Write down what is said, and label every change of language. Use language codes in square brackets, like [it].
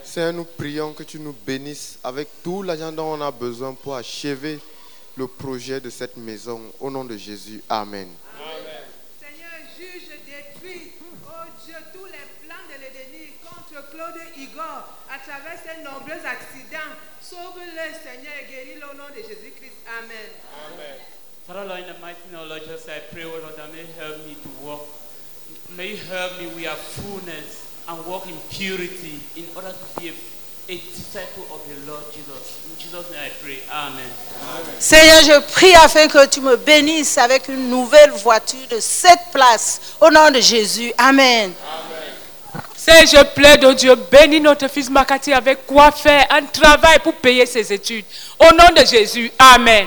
[fr] Seigneur, nous prions que tu nous bénisses avec tout l'argent dont on a besoin pour achever le projet de cette maison au nom de Jésus. Amen. Amen. Seigneur, juge, détruis, oh Dieu, tous les plans de l'ennemi contre Claude Igor. À travers ces nombreux accidents, sauve-le, Seigneur, et guéris-le au nom de Jésus-Christ. Amen. [en] Amen. Father, Lord, in the mighty name of Lord Jesus, I pray, O Lord, that may help me to walk May you help me with our fullness and walk in purity in order to be a disciple of the Lord Jesus. In Jesus' name I pray. Amen. [fr] Seigneur, je prie afin que tu me bénisses avec une nouvelle voiture de 7 places. Au nom de Jésus. Amen. Seigneur, je plaide au Dieu, bénis notre fils Makati avec quoi faire un travail pour payer ses études. Au nom de Jésus, amen.